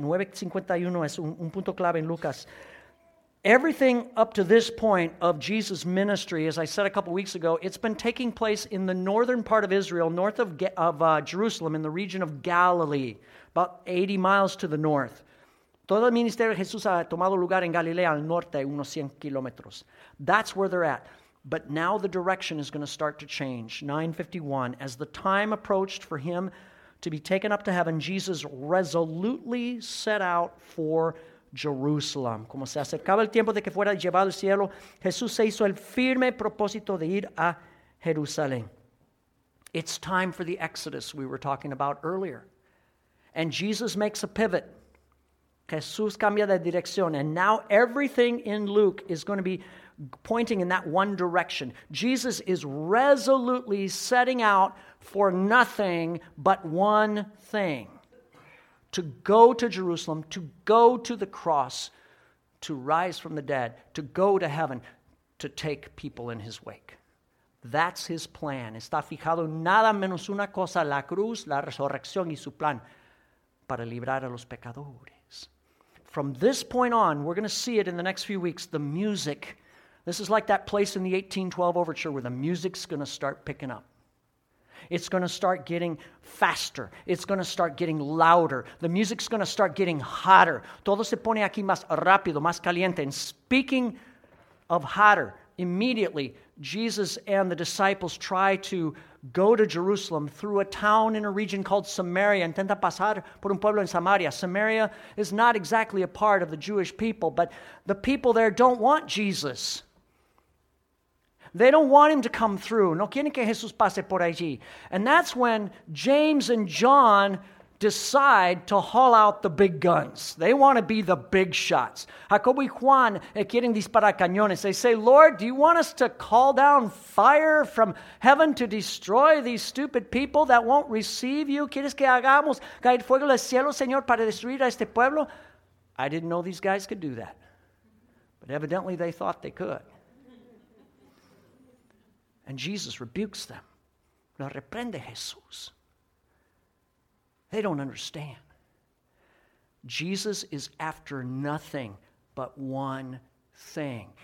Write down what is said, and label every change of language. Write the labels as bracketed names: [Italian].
[Spanish] 9:51 es un punto clave en Lucas. [English] Everything up to this point of Jesus' ministry, as I said a couple weeks ago, it's been taking place in the northern part of Israel, north of Jerusalem, in the region of Galilee, about 80 miles to the north. [Spanish] Todo el ministerio de Jesús ha tomado lugar en Galilea, al norte, unos 100 kilómetros. [English] That's where they're at. But now the direction is going to start to change. 9:51, as the time approached for him to be taken up to heaven, Jesus resolutely set out for Jerusalem. [Spanish] Como se acercaba el tiempo de que fuera llevado al cielo, Jesús se hizo el firme propósito de ir a Jerusalén. [English] It's time for the Exodus we were talking about earlier. And Jesus makes a pivot. [Spanish] Jesús cambia de dirección. [English] And now everything in Luke is going to be pointing in that one direction. Jesus is resolutely setting out for nothing but one thing: to go to Jerusalem, to go to the cross, to rise from the dead, to go to heaven, to take people in his wake. That's his plan. [Spanish] Está fijado nada menos una cosa: la cruz, la resurrección y su plan para librar a los pecadores. [English] From this point on, we're going to see it in the next few weeks, the music. This is like that place in the 1812 overture where the music's going to start picking up. It's going to start getting faster. It's going to start getting louder. The music's going to start getting hotter. [Spanish] Todo se pone aquí más rápido, más caliente. [English] And speaking of hotter, immediately Jesus and the disciples try to go to Jerusalem through a town in a region called Samaria. [Spanish] Intenta pasar por un pueblo en Samaria. [English] Samaria is not exactly a part of the Jewish people, but the people there don't want Jesus. They don't want him to come through. [Spanish] No quieren que Jesús pase por allí. [English] And that's when James and John decide to haul out the big guns. They want to be the big shots. [Spanish] Jacobo y Juan quieren disparar cañones. [English] They say, "Lord, do you want us to call down fire from heaven to destroy these stupid people that won't receive you? [Spanish] ¿Quieres que hagamos caer fuego del cielo, Señor, para destruir a este pueblo?" [English] I didn't know these guys could do that. But evidently they thought they could. And Jesus rebukes them. [Spanish] No reprende Jesús. [English] They don't understand. Jesus is after nothing but one thing.